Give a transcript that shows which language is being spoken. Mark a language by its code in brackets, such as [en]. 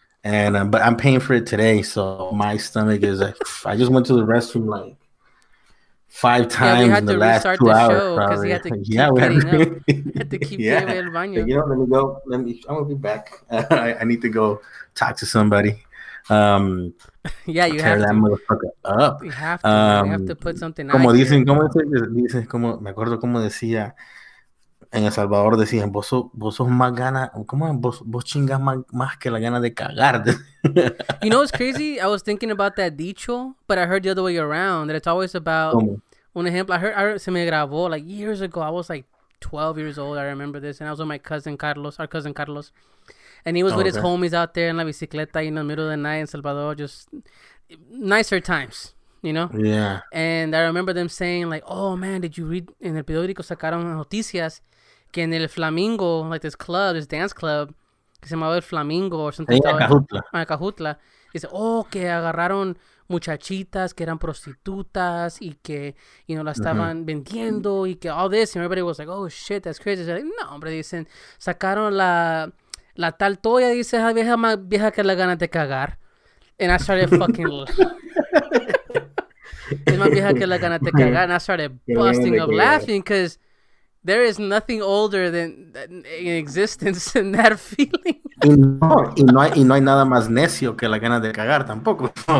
[en] And but I'm paying for it today, so my stomach is I just went to the restroom like five times in the last 2 hours. Yeah, we had to restart the show because we had to keep getting [es] el baño. [en] You know, I'm gonna be back. I need to go talk to somebody. Yeah, you tear have that to motherfucker up. You have to. You have to put something. [es] Como dicen, como me acuerdo como decía en El Salvador, decían vos sos más gana, como vos chingas más que la gana de cagar. [en] You know what's crazy? I was thinking about that dicho, but I heard the other way around. That it's always about. [es] Un ejemplo. [en] I heard [es] se me grabó [en] like years ago. I was like 12 years old. I remember this, and I was with my cousin Carlos. Our cousin Carlos. And he was with his homies out there in [es] la bicicleta, [en] you know, middle of the night in Salvador, just nicer times, you know? Yeah. And I remember them saying, like, oh, man, did you read, in [es] el periódico sacaron noticias que en el Flamingo, [en] like this club, this dance club, [es] que se llamaba el Flamingo [en] or something. [es] En Cajutla. En Cajutla. Dice, oh, que agarraron muchachitas que eran prostitutas y que, [en] you know, [es] la estaban vendiendo y que [en] all this. And everybody was like, oh, shit, that's crazy. They're like, [es] no, hombre, dicen, sacaron la tal toya, dice, esa vieja más vieja que la ganas de cagar. [en] And I started fucking laughing. [es] Es más vieja que la ganas de cagar. [en] And I started busting up laughing because there is nothing older than in existence than that feeling. [es] y no hay nada más necio que la ganas de cagar tampoco.